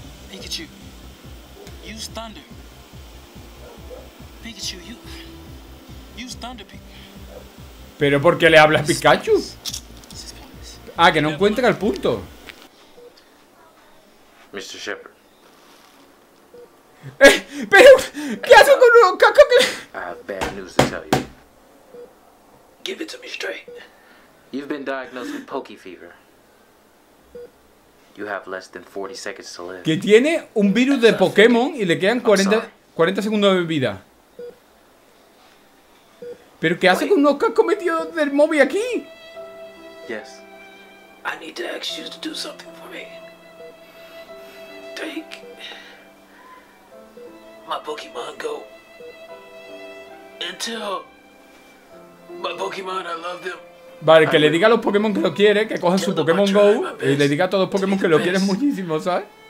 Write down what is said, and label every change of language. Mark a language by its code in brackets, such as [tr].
[en] Pikachu, use Thunder. Pikachu, use Thunder, [es] ¿pero por qué le habla a Pikachu? Ah, que no encuentra el punto. [en] Mr. Shepard. [es] ¿Pero qué hace con un caco que... [en] I have bad news to tell you. Give it to me straight. You've been diagnosed with pokey fever. You have less than 40 seconds to live. [es] Que tiene un virus de Pokémon y le quedan 40 segundos de vida. ¿Pero qué hace con unos cascos metidos del móvil aquí? [en] Yes. I need to ask you to do something for me. Take my Pokémon Go and tell my Pokémon I love them. [es] Vale, que le diga a los Pokémon que lo quiere, que cojan su Pokémon GO y le diga a todos los Pokémon que lo quieren muchísimo, ¿sabes?